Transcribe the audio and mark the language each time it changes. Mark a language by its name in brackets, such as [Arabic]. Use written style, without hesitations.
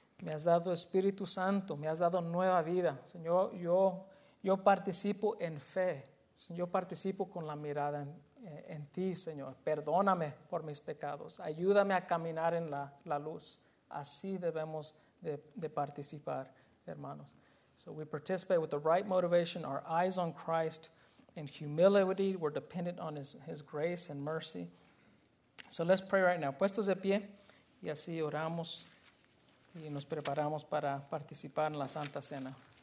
[Spanish] Me has dado Espíritu Santo, me has dado nueva vida. Señor, yo participo en fe. Yo participo con la mirada en ti, Señor. Perdóname por mis pecados. Ayúdame a caminar en la luz. Así debemos de participar, hermanos. [English] So we participate with the right motivation, our eyes on Christ. In humility, we're dependent on his grace and mercy. So let's pray right now. [Spanish] Puestos de pie, y así oramos y nos preparamos para participar en la Santa Cena.